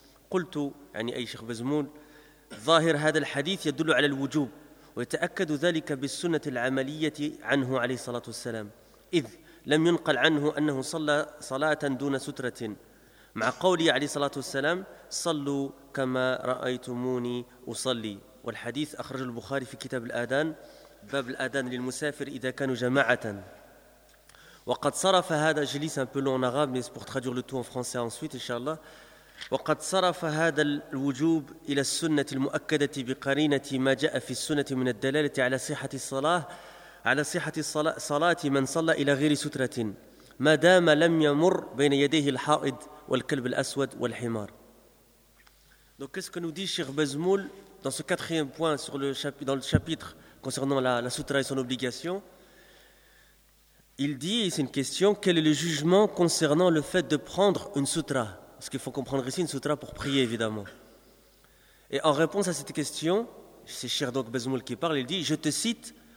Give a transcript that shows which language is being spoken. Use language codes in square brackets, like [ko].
[ar] قلت، يعني أي شيخ بزمول، ظاهر هذا الحديث يدل على الوجوب، ويتأكد ذلك بالسنة العملية عنه عليه الصلاة والسلام، إذ لم ينقل عنه أنه صلى صلاة دون سترة، مع قولي عليه الصلاة والسلام: صلوا كما رأيتموني أصلي. والحديث أخرج البخاري في كتاب الآذان، باب الآذان للمسافر إذا كانوا جماعة. وقد صرف هذا جليس [fr] un peu long en arabe, mais c'est pour traduire le tout en français ensuite, inshallah. [ar] وقد صرف هذا الوجوب إلى السنة المؤكدة بقرينة ما جاء في السنة من الدلالة على صحة الصلاة صلاة من صلى إلى غير سترة، ما دام لم يمر بين يديه الحائض والكلب الأسود والحمار. [fr] Donc qu'est-ce que nous dit Cheikh Bazmoul dans ce quatrième point sur le chapitre, dans le chapitre concernant la sutra et son obligation? Il dit, c'est une question, quel est le jugement concernant le fait de prendre une sutra? Parce qu'il faut comprendre ici une sutra pour prier, évidemment. Et en réponse à cette question, c'est Cheikh Bazmoul qui parle, il dit, je te cite